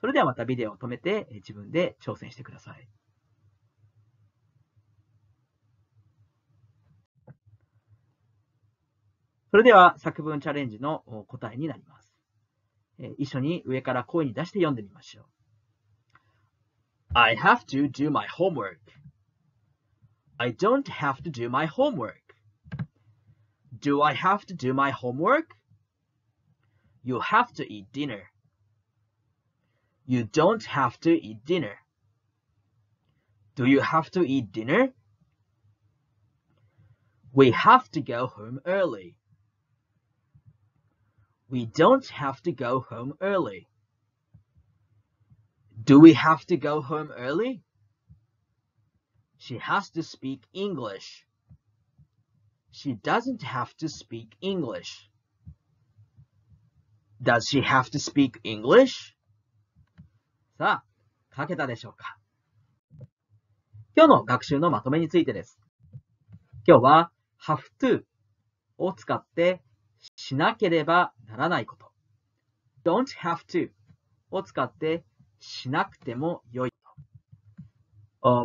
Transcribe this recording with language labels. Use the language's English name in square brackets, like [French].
[Japanese] それではまたビデオを止めて自分で挑戦してください。それでは作文チャレンジの答えになります。一緒に上から声に出して読んでみましょう。 [English] I have to do my homework. I don't have to do my homework. Do I have to do my homework? You have to eat dinner. You don't have to eat dinner. Do you have to eat dinner? We have to go home early. We don't have to go home early. Do we have to go home early? She has to speak English. She doesn't have to speak English. Does she have to speak English? [Japanese] さあ、書けたでしょうか。今日の学習のまとめについてです。今日は have to を使ってしなければならないこと。 Don't have to を使ってしなくても良いと。